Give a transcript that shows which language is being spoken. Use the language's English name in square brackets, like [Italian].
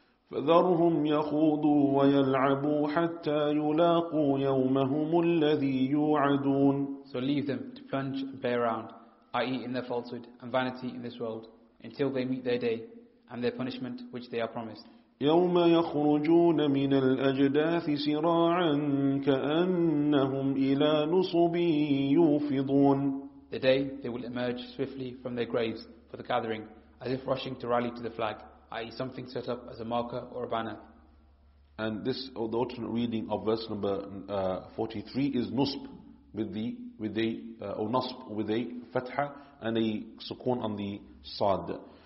[Arabic] فَذَرْهُمْ يَخُوضُوا وَيَلْعَبُوا حَتَّى يُلَاقُوا يَوْمَهُمُ الَّذِي يُوعَدُونَ [English] So leave them to plunge and play around, i.e. in their falsehood and vanity in this world, until they meet their day and their punishment which they are promised. [Arabic] يوم يخرجون من الأجداث سراعا كأنهم إلى نصب يوفضون. [English] The day they will emerge swiftly from their graves for the gathering, as if rushing to rally to the flag, i.e. something set up as a marker or a banner. And this, the alternate reading of verse number 43 is Nusb with a fatha and a sukun on the sad.